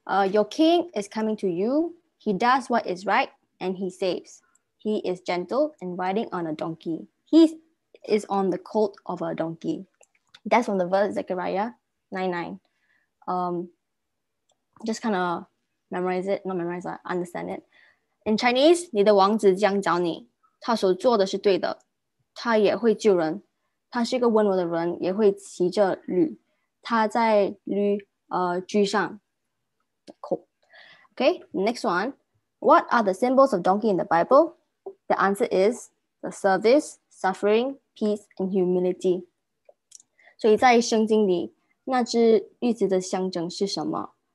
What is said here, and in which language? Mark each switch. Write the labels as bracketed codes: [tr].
[en] Your king is coming to you. He does what is right and he saves. He is gentle and riding on a donkey. He is on the colt of a donkey. That's from the verse Zechariah 9:9. just kind of memorize it, not memorize, like, understand it. In Chinese, [zh] 你的王子将找你，他所做的是对的，他也会救人，他是一个温柔的人，也会骑着驴，他在驴居上。 [en] Cool. Okay, next one. What are the symbols of donkey in the Bible? The answer is the service, suffering, peace, and humility. [zh] 所以在圣经里，那只驴子的象征是什么？